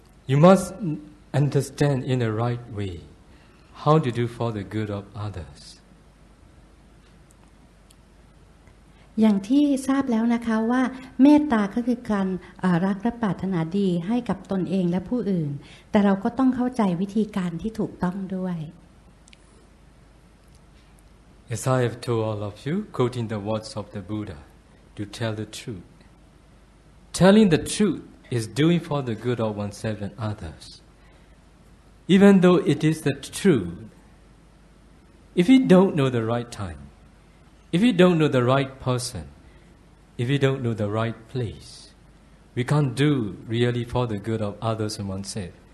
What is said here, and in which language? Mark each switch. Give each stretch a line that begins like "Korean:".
English: You must understand in the right way how to do for the good of others.
Thai: อย่างที่ทราบแล้วนะคะว่าเมตตาก็คือการรักและปรารถนาดีให้กับตนเองและผู้อื่นแต่เราก็ต้องเข้าใจวิธีการที่ถูกต้องด้วย
English: As I have told all of you, quoting the words of the Buddha, to tell the truth. Telling the truth is doing for the good of oneself and others. Even though it is the truth, if you don't know the right time,If we don't know the right person, if we don't know the right place, we can't do really for the good of others and oneself.